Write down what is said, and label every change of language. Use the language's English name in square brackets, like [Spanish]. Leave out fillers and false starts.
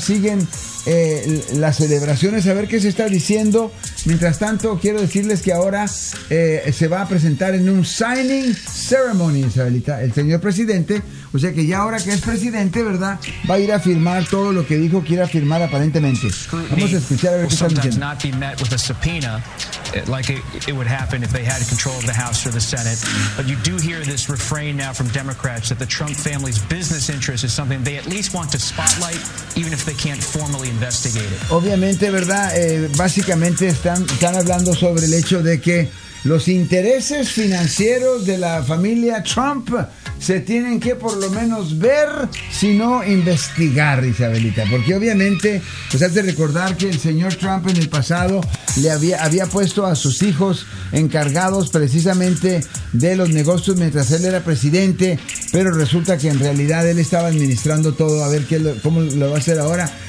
[Spanish] Siguen las celebraciones, a ver qué se está diciendo. Mientras tanto, quiero decirles que ahora se va a presentar en un [English] signing ceremony, [Spanish] Isabelita, el señor presidente. O sea que ya ahora que es presidente, ¿verdad? Va a ir a firmar todo lo que dijo, quiere firmar aparentemente. Vamos a escuchar a ver qué está diciendo. [English] Not be met with a subpoena, like it would happen if they had control of the House or the Senate. But you do hear this refrain now from Democrats that the Trump family's business interest is something they at least want to spotlight, even if they can't formally investigate it. [Spanish] Obviamente, ¿verdad? Básicamente están hablando sobre el hecho de que los intereses financieros de la familia Trump se tienen que por lo menos ver, si no investigar, Isabelita. Porque obviamente, pues has de recordar que el señor Trump en el pasado le había puesto a sus hijos encargados precisamente de los negocios mientras él era presidente, pero resulta que en realidad él estaba administrando todo, a ver cómo lo va a hacer ahora.